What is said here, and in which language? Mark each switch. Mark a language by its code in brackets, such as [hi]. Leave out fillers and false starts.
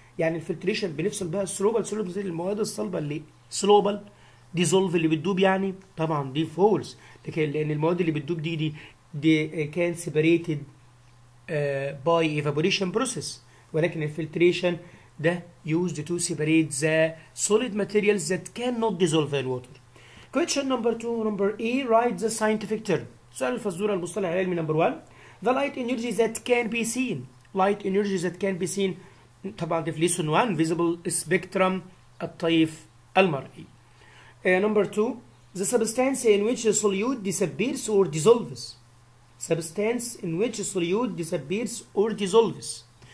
[ar] يعني الفلتريشن بنفصل بها السلوبل سوليد زي المواد الصلبه اللي سلوبل ديزولف اللي بتدوب، يعني طبعا دي فولس، لكن لان المواد اللي بتدوب دي كان سيبريتد باي ايفابوريشن بروسيس، ولكن الفلتريشن ده [en] used to separate the solid materials that cannot dissolve in water. Question number two, number A, write the scientific term. [ar] سؤال الفزورة، المصطلح العلمي. [en] Number one, the light energy that can be seen. Light energy that can be seen. [ar] طبعا ده في [en] lesson one, visible spectrum [ar] الطيف المرئي. [en] Number two, the substance in which a solute disappears or dissolves. Substance in which a solute disappears or dissolves.